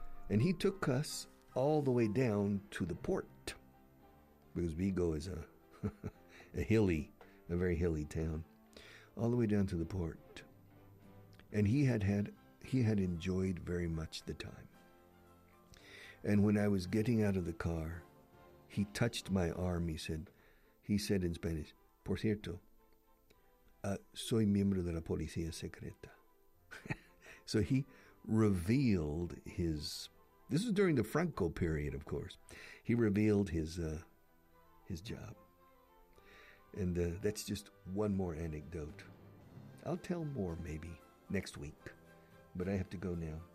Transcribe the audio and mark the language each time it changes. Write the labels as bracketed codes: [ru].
[en] And he took us all the way down to the port, because Vigo is a very hilly town, all the way down to the port. And he had enjoyed very much the time. And when I was getting out of the car, he touched my arm. He said in Spanish, [es] por cierto, soy miembro de la policía secreta. [en] So he revealed his, this is during the Franco period, of course. He revealed his job. And that's just one more anecdote. I'll tell more maybe next week, but I have to go now.